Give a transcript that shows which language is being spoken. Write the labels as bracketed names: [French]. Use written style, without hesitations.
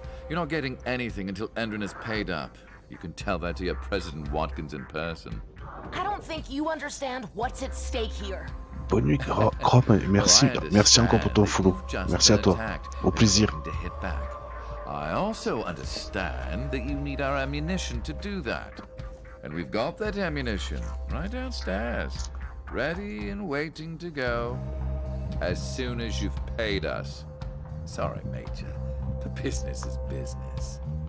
[English] You're not getting anything until Endrin is paid up. You can tell that to your President Watkins in person. I don't think you understand what's at stake here. [French] Bonne nuit, Crop, merci, merci encore pour ton follow. Merci à toi. Au plaisir. [English] I also understand that you need our ammunition to do that. And we've got that ammunition right downstairs, ready and waiting to go as soon as you've paid us. Sorry, Major. The business is business.